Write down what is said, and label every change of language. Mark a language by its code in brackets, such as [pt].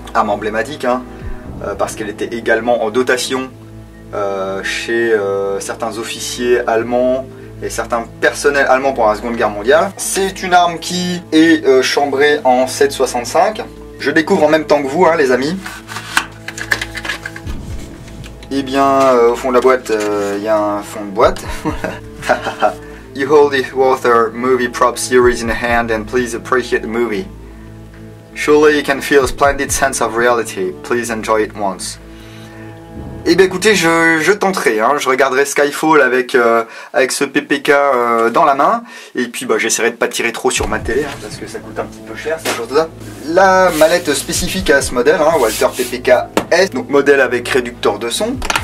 [fr] Arme emblématique, hein, parce qu'elle était également en dotation chez certains officiers allemands et certains personnels allemands pendant la Seconde Guerre mondiale. C'est une arme qui est chambrée en 7,65. Je découvre en même temps que vous, hein, les amis. Eh bien, au fond de la boîte, il y a un fond de boîte. [en] You hold the Walter movie prop series in hand and please appreciate the movie. Surely you can feel a splendid sense of reality. Please enjoy it once. [fr] Eh bien, écoutez, je tenterai. Hein, je regarderai Skyfall avec, avec ce PPK dans la main. Et puis, bah, j'essaierai de pas tirer trop sur ma télé hein, parce que ça coûte un petit peu cher, ce genre de ça. La mallette spécifique à ce modèle, hein, Walter PPK S, donc modèle avec réducteur de son.